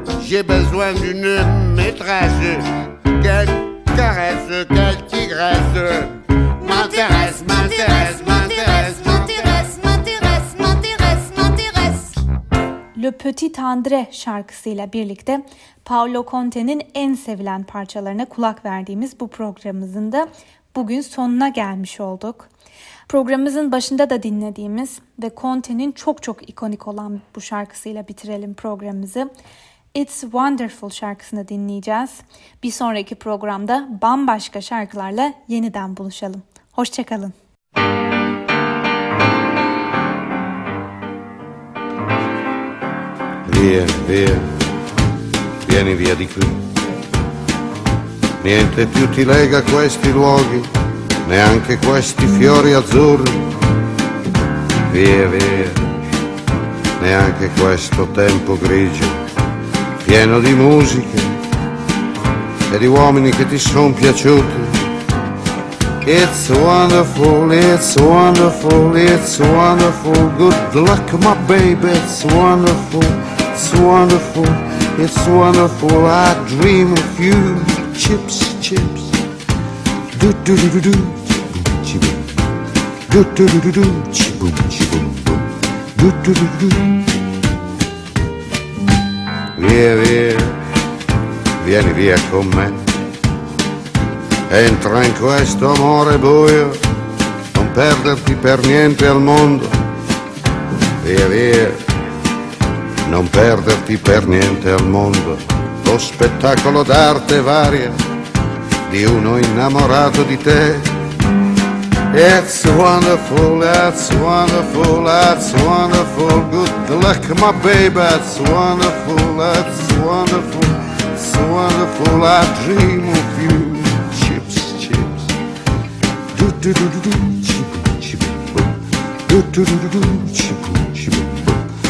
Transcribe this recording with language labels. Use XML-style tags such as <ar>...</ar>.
<fr>J'ai besoin d'une maîtresse, quelle caresse, quelle tigresse. M'intéresse, m'intéresse, m'intéresse, m'intéresse, m'intéresse, m'intéresse, m'intéresse.</fr> <tr>Le Petit André şarkısıyla birlikte Paolo Conte'nin en sevilen parçalarına kulak verdiğimiz bu programımızın da bugün sonuna gelmiş olduk. Programımızın başında da dinlediğimiz ve Conte'nin çok çok ikonik olan bu şarkısıyla bitirelim programımızı. It's Wonderful şarkısını dinleyeceğiz. Bir sonraki programda bambaşka şarkılarla yeniden buluşalım. Hoşçakalın.</tr> <it>Via, via, vieni via di qui. Niente più ti lega questi luoghi, neanche questi fiori azzurri. Via, via, neanche questo tempo grigio, pieno di musiche e di uomini che ti son piaciuti.</it> <en>It's wonderful, it's wonderful, it's wonderful. Good luck, my baby, it's wonderful, it's wonderful, it's wonderful. I dream of you, chips, chips. Do-do-do-do-do, chibum-chibum. Do-do-do-do-do, chibum-chibum-bum. Do-do-do-do-do.</en> <it>Via, via, vieni via con me. Entra in questo amore buio, non perderti per niente al mondo. Via, via, non perderti per niente al mondo. Lo spettacolo d'arte varia di uno innamorato di te.</it> <en>It's wonderful, that's wonderful, that's wonderful. Good luck, my baby, that's wonderful, that's wonderful, it's wonderful. I dream of you, chips, chips. Do do do do do, chip, chip, boom. Do do do do do, chip, chip, boom.</en>